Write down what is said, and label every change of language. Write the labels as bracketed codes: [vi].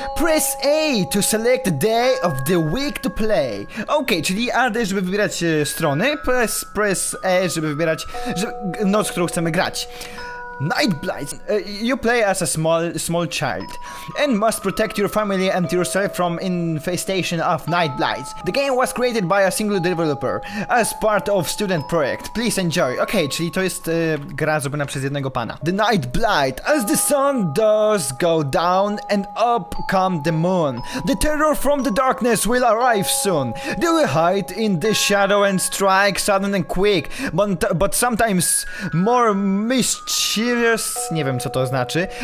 [en] Press A to select the day of the week to play. [pl] Okej, czyli A, D, żeby wybierać strony. [en] Press E, [pl] żeby wybierać noc, którą chcemy grać. [en] Night Blights. You play as a small child and must protect your family and yourself from infestation of Night Blights. The game was created by a single developer as part of student project. Please enjoy. [pl] Okej, czyli to jest gra zrobiona przez jednego pana. [en] The Night Blight. As the sun does go down and up come the moon, the terror from the darkness will arrive soon. Do we hide in the shadow and strike sudden and quick, but sometimes more mischievous. [pl] Nie wiem co to znaczy.